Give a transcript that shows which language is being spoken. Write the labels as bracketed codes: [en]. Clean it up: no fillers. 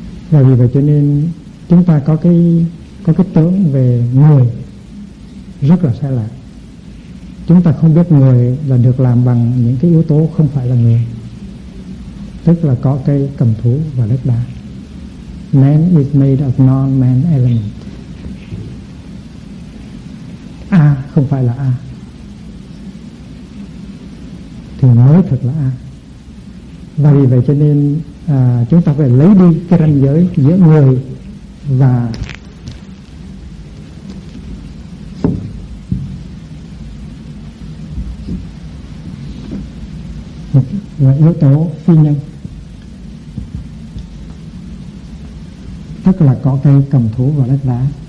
[vi] Và vì vậy cho nên chúng ta có cái, có cái tưởng về người rất là sai lạc. Chúng ta không biết người là được làm bằng những cái yếu tố không phải là người, tức là cỏ cây, cầm thú và đất đá. [en] Man is made of non-man element. [vi] A không phải là A thì mới thật là A. Và vì vậy cho nên chúng ta phải lấy đi cái ranh giới giữa người và yếu tố phi nhân, tức là cỏ cây, cầm thú và đất đá.